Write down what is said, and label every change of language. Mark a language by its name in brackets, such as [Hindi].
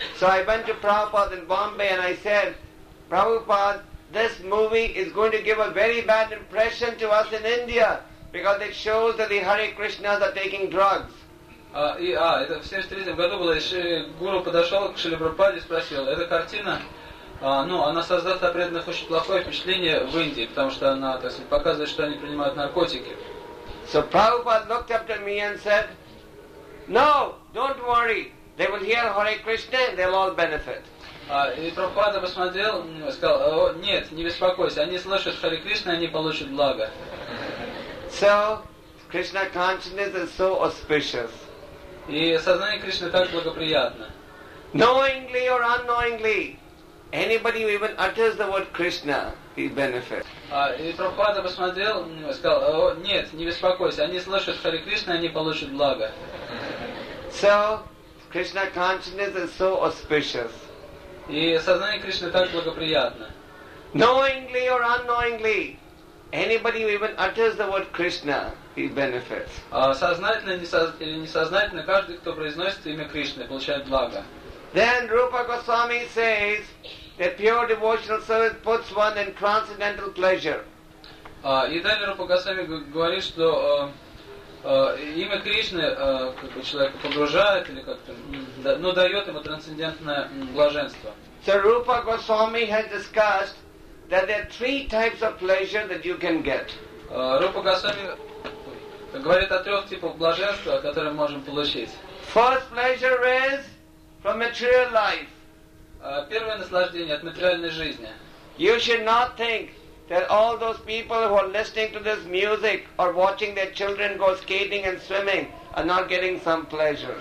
[English] So I went to Prabhupada in Bombay and I said, Prabhupada, this movie is going to give a very bad impression to us in India because it shows that the Hare Krishnas are taking drugs. [Russian] Это в 73 году было. Гуру подошел к Шриле Прабхупаде и спросил, эта картина, она создаст о преданных очень плохое впечатление в Индии, потому что она, так сказать, показывает, что они принимают наркотики. [English] So Prabhupada looked up to me and said, no, don't worry. They will hear Hare Krishna and they'll all benefit. [Russian] И Прабхупада посмотрел и сказал, нет, не беспокойся, они слышат Hare Krishna, они получат благо. [English] So, Krishna consciousness is so auspicious. [Russian] И сознание Кришны так благоприятно. [English] Knowingly or unknowingly, anybody who even utters the word Krishna, he benefits. [Russian] И Прабхупада посмотрел, сказал: нет, не беспокойся, они слышат Харе Кришна, они получат благо. [English] So, Krishna consciousness is so auspicious. [Russian] И сознание Кришны так благоприятно. [English] Knowingly or unknowingly, anybody who even utters the word Krishna, he benefits. [Russian] Сознательно или несознательно, каждый, кто произносит имя Кришны, получает благо. [English] Then Rupa Goswami says that pure devotional service puts one in transcendental pleasure. [Russian] И далее Рупа Госвами говорит, что имя Кришны человека погружает или как-то, но дает ему трансцендентное блаженство. [English] So Rupa Goswami has discussed that there are three types of pleasure that you can get. [Russian] Рупа Госвами говорит о трех типах блаженства, которые мы можем получить. [English] First pleasure is from material life. [Russian] Первое наслаждение от материальной жизни. [English] You should not think that all those people who are listening to this music or watching their children go skating and swimming are not getting some pleasure.